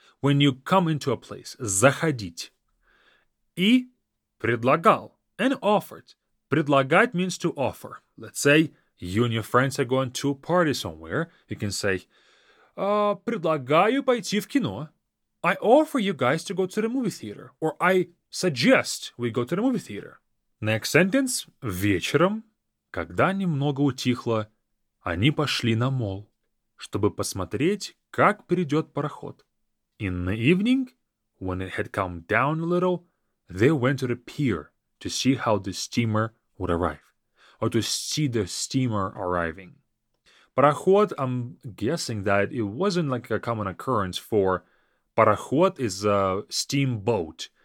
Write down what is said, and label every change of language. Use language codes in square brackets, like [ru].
[en] When you come into a place, заходить. [ru] И предлагал [en] and offered. Предлагать means to offer. Let's say you and your friends are going to a party somewhere. You can say, [ru] предлагаю пойти в кино. [en] I offer you guys to go to the movie theater, or I suggest we go to the movie theater. Next sentence. [ru] Вечером, когда немного утихло, они пошли на мол, чтобы посмотреть, как придет пароход. [en] In the evening, when it had calmed down a little, they went to the pier to see how the steamer would arrive, or to see the steamer arriving. Пароход, I'm guessing that it wasn't like a common occurrence for пароход is a steamboat.